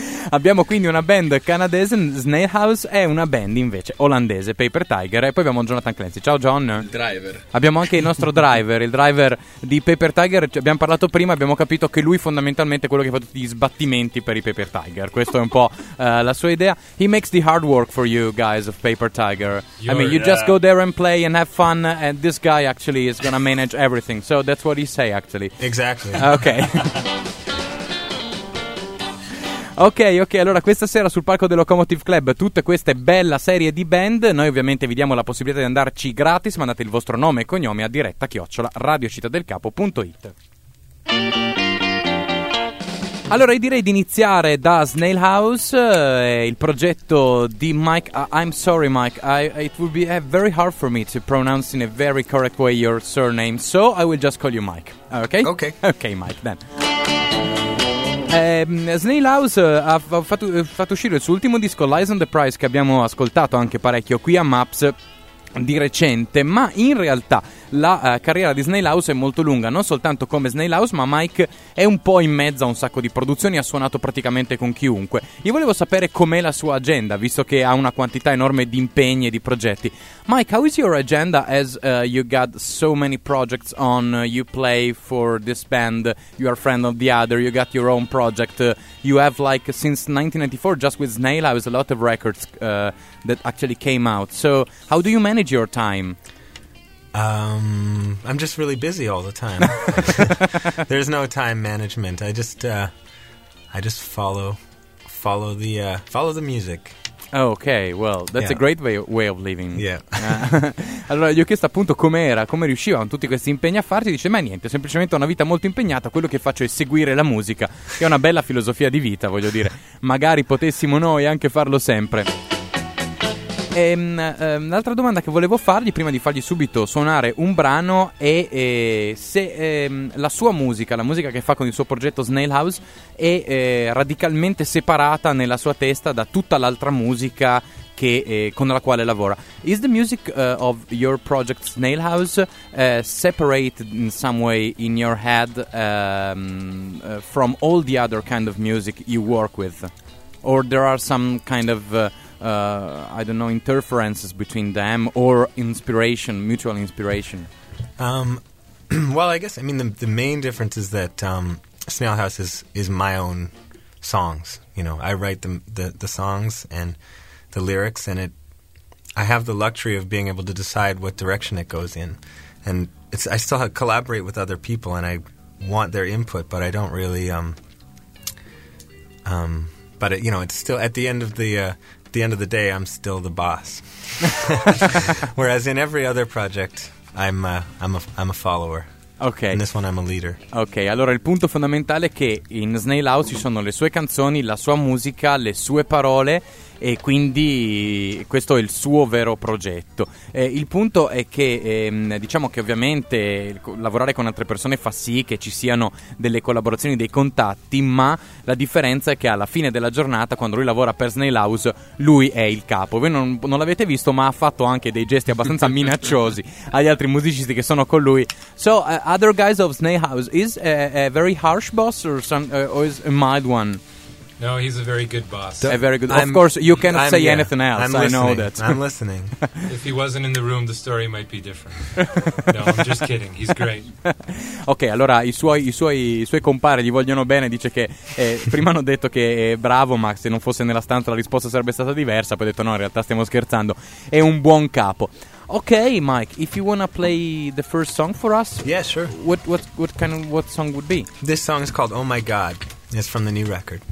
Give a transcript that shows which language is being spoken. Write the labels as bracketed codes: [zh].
[it] Abbiamo quindi una band canadese, Snail House, e una band invece olandese, Paper Tiger. E poi abbiamo Jonathan Clancy. Ciao, John. Il driver. Abbiamo anche il nostro driver, il driver di Paper Tiger. Abbiamo parlato prima, abbiamo capito che lui fondamentalmente è quello che fa tutti gli sbattimenti per i Paper Tiger. Questo è un po' la sua idea. [en] He makes the hard work for you guys of Paper Tiger. I mean, you just go there and play and have fun, and this guy actually is gonna manage everything. So that's what he say, actually. Exactly. Okay. [it] Ok, allora questa sera sul palco del Locomotive Club tutta questa bella serie di band. Noi ovviamente vi diamo la possibilità di andarci gratis. Mandate il vostro nome e cognome a diretta@radiocittadelcapo.it. Allora, io direi di iniziare da Snail House, il progetto di Mike. [en] I'm sorry, Mike. It would be very hard for me to pronounce in a very correct way your surname, so I will just call you Mike. Okay? Okay. Okay, Mike, then. [it] Snail House ha fatto uscire il suo ultimo disco, Lies on the Prize, che abbiamo ascoltato anche parecchio qui a MAPS di recente, ma in realtà la carriera di Snail House è molto lunga, non soltanto come Snail House, ma Mike è un po' in mezzo a un sacco di produzioni, ha suonato praticamente con chiunque. Io volevo sapere com'è la sua agenda, visto che ha una quantità enorme di impegni e di progetti. [en] Mike, how is your agenda as you got so many projects on, you play for this band, you are friend of the other, you got your own project, you have like since 1994 just with Snail House a lot of records that actually came out. So how do you manage your time? I'm just really busy all the time. There's no time management. I just follow the music. Okay, well, that's a great way of living. Yeah. [it] Allora, gli ho chiesto appunto com'era, come riusciva con tutti questi impegni a farti. Dice, ma niente, semplicemente ho una vita molto impegnata. Quello che faccio è seguire la musica. È una bella filosofia di vita, voglio dire. Magari potessimo noi anche farlo sempre. E, l'altra domanda che volevo fargli prima di fargli subito suonare un brano è se la sua musica, la musica che fa con il suo progetto Snail House, è radicalmente separata nella sua testa da tutta l'altra musica che, con la quale lavora. [en] Is the music of your project Snail House separate in some way in your head from all the other kind of music you work with? Or there are some kind of I don't know, interferences between them or inspiration, mutual inspiration? Well, I guess, I mean, the main difference is that Snail House is my own songs. You know, I write the songs and the lyrics, and I have the luxury of being able to decide what direction it goes in. And I still collaborate with other people, and I want their input, but I don't really... it's still at the end of the... At the end of the day, I'm still the boss. Whereas in every other project, I'm a follower. Okay. In this one, I'm a leader. [it] Okay, allora il punto fondamentale è che in Snail House ci sono le sue canzoni, la sua musica, le sue parole, e quindi questo è il suo vero progetto. Il punto è che diciamo che ovviamente lavorare con altre persone fa sì che ci siano delle collaborazioni, dei contatti, ma la differenza è che alla fine della giornata, quando lui lavora per Snail House, lui è il capo. Voi non l'avete visto, ma ha fatto anche dei gesti abbastanza minacciosi agli altri musicisti che sono con lui. [en] So other guys of Snail House, is a very harsh boss or is a mild one? No, he's a very good boss. A very good. Of course, you cannot say anything else. I know that. I'm listening. If he wasn't in the room, the story might be different. No, I'm just kidding. He's great. [it] Okay, allora i suoi compari gli vogliono bene. Dice che prima hanno detto che è bravo, ma se non fosse nella stanza la risposta sarebbe stata diversa. Poi ha detto no, in realtà stiamo scherzando. È un buon capo. [en] Okay, Mike, if you want to play the first song for us. Yeah, sure. What song would be? This song is called Oh My God. It's from the new record.